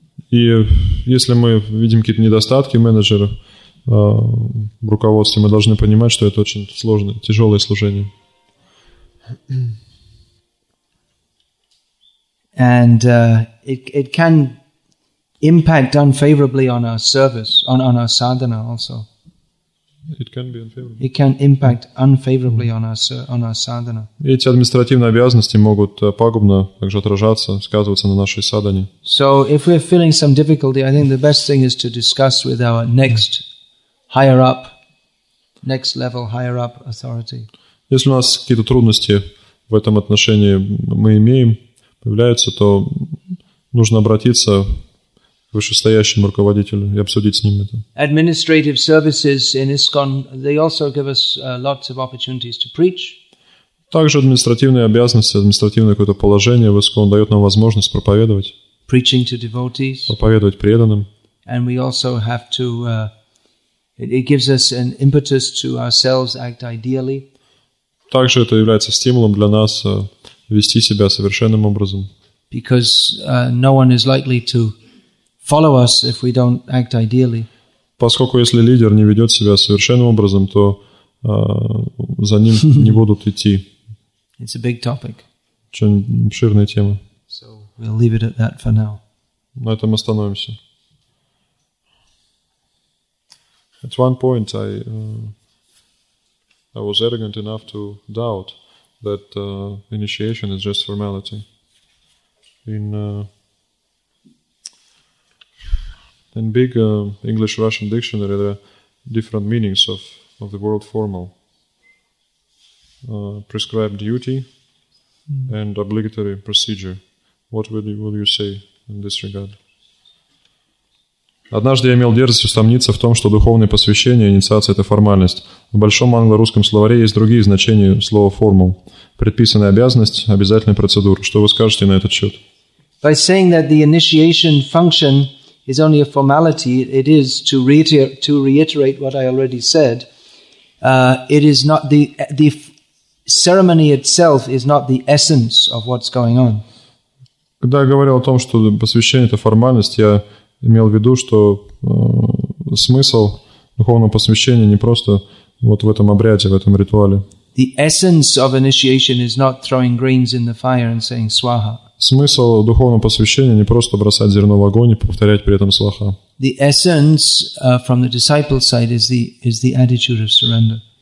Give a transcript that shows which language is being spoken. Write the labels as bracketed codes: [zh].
[ru] И если мы видим какие-то недостатки менеджеров в руководстве, мы должны понимать, что это очень сложное, тяжелое служение. [en] And it can impact unfavorably on our service, on our sadhana also. It can be unfavorable. It can impact unfavorably on our sadhana. [ru] Эти административные обязанности могут пагубно также отражаться, сказываться на нашей садхане. [en] So if we're feeling some difficulty, I think the best thing is to discuss with our next higher up, next level higher up authority. [ru] Если у нас какие-то трудности в этом отношении мы имеем, появляются, то нужно обратиться к вышестоящему руководителю и обсудить с ним это. [en] Administrative services in ISKCON, they also give us lots of opportunities to preach. [ru] Также административные обязанности, административное какое-то положение в ISKCON дает нам возможность проповедовать. [en] Preaching to devotees. [ru] Проповедовать преданным. [en] And we also have to, it gives us an impetus to ourselves act ideally. [ru] Также это является стимулом для нас вести себя совершенным образом. [en] Because no one is likely to follow us if we don't act ideally. [ru] Поскольку если лидер не ведет себя совершенным образом, то за ним не будут идти. [en] It's a big topic. [ru] Очень обширная тема. [en] So we'll leave it at that for now. [ru] На этом остановимся. [en] At one point I was arrogant enough to doubt that initiation is just formality. In big English-Russian dictionary, there are different meanings of the word formal. Prescribed duty and obligatory procedure. What will you say in this regard? [ru] Однажды я имел дерзость усомниться в том, что духовное посвящение и инициация – это формальность. В большом англо-русском словаре есть другие значения слова «формул». Предписанная обязанность – обязательная процедура. Что вы скажете на этот счет? [en] By saying that the initiation function is only a formality, it is, to reiterate what I already said, it is not the ceremony itself is not the essence of what's going on. [ru] Когда я говорил о том, что посвящение – это формальность, я имел в виду, что смысл духовного посвящения не просто вот в этом обряде, в этом ритуале. [en] The essence of initiation is not throwing grains in the fire and saying swaha. [ru] Смысл духовного посвящения не просто бросать зерно в огонь и повторять при этом сваха. [en] The essence from the disciple's side is the attitude of surrender.